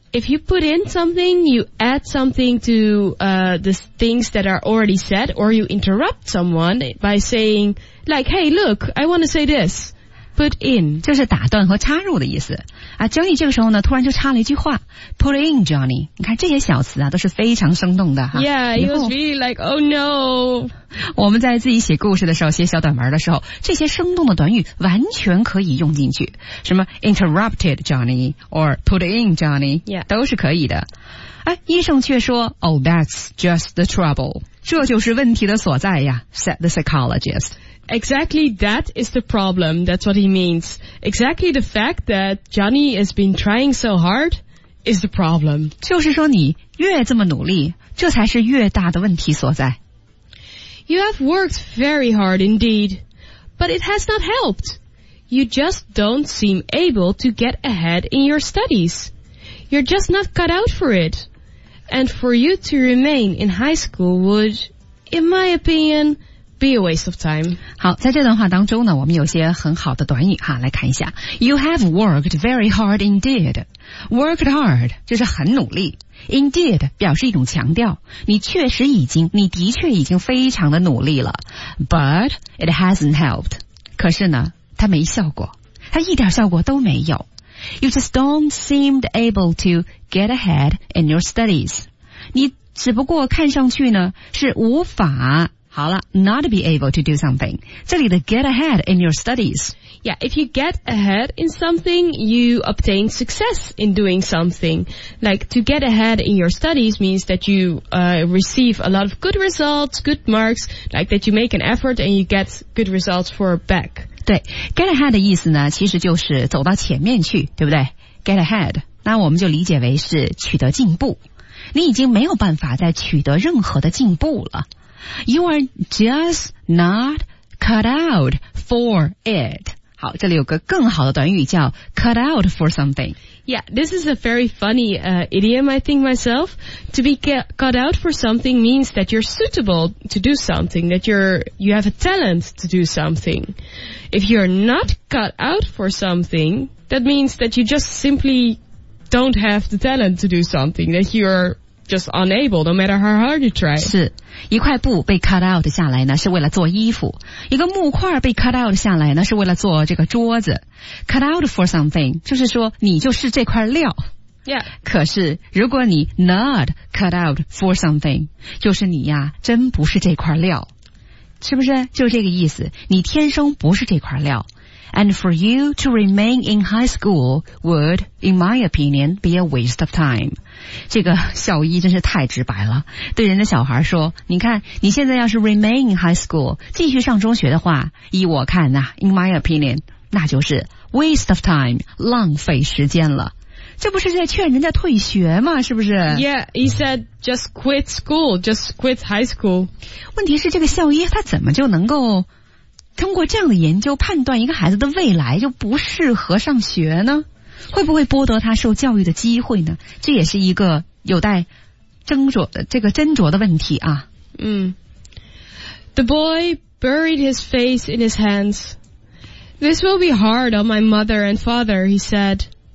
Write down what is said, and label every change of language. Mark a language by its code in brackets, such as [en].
[en] If you put in something, you add something to the things that are already said, or you interrupt someone by saying like, hey look, I want to say this. put in [zh] 就是打断和插入的意思啊。 Johnny 这个时候呢突然就插了一句话 put in Johnny 你看这些小词啊都是非常生动的哈。 [en] Yeah, he was really like, oh no [zh] 我们在自己写故事的时候写小短文的时候这些生动的短语完全可以用进去什么 interrupted Johnny or put in Johnny、 [en] yeah. [zh] 都是可以的哎，医生却说 oh that's just the trouble 这就是问题的所在呀 said the psychologist [en] Exactly that is the problem, that's what he means. Exactly the fact that Johnny has been trying so hard is the problem. [zh] 就是说你越这么努力,这才是越大的问题所在。 [en] You have worked very hard indeed, but it has not helped. You just don't seem able to get ahead in your studies. You're just not cut out for it. And for you to remain in high school would, in my opinion... Be a waste of time. [zh] 好，在这段话当中呢，我们有些很好的短语哈，来看一下。 [en] You have worked very hard indeed. Worked hard 就是很努力。 [zh] Indeed 表示一种强调，你确实已经，你的确已经非常的努力了。 [en] But it hasn't helped. [zh] 可是呢，它没效果，它一点效果都没有。 [en] You just don't seem able to get ahead in your studies. [zh] 你只不过看上去呢，是无法好了 not be able to do something. [en] 这里的 get ahead in your studies. Yeah, if you get ahead in something, you obtain success in doing something. Like, to get ahead in your studies means that you, receive a lot of good results, good marks, like that you make an effort and you get good results for back. [zh] 对 , get ahead 的意思呢其实就是走到前面去对不对 ?get ahead. 那我们就理解为是取得进步。你已经没有办法再取得任何的进步了。 [en] You are just not cut out for it. [zh] 好，这里有个更好的短语叫 cut out for something. [en] Yeah, this is a very funny, idiom, I think myself. To be cut out for something means that you're suitable to do something, that you have a talent to do something. If you're not cut out for something, that means that you just simply don't have the talent to do something, that you're... Just unable, no matter how hard you try. [zh] 是一块布被 cut out 下来呢，是为了做衣服；一个木块被 cut out 下来呢，是为了做这个桌子。 Cut out for something 就是说你就是这块料。 [en] Yeah. [zh] 可是如果你 not cut out for something, 就是你呀，真不是这块料，是不是？就这个意思，你天生不是这块料。 [en] And for you to remain in high school would, in my opinion, be a waste of time. [zh] 这个校医真是太直白了。对人家小孩说，你看，你现在要是 remain in high school, 继续上中学的话，依我看啊 in my opinion, 那就是 waste of time, 浪费时间了。这不是在劝人家退学吗？是不是？ [en] Yeah, he said, just quit school, just quit high school. [zh] 问题是这个校医他怎么就能够通过这样的研究判断一个孩子的未来就不适合上学呢？会不会剥夺他受教育的机会呢？这也是一个有待斟酌的这个斟酌的问题啊。嗯。 [en] The boy buried his face in his hands. This will be hard on my mother and father, he said.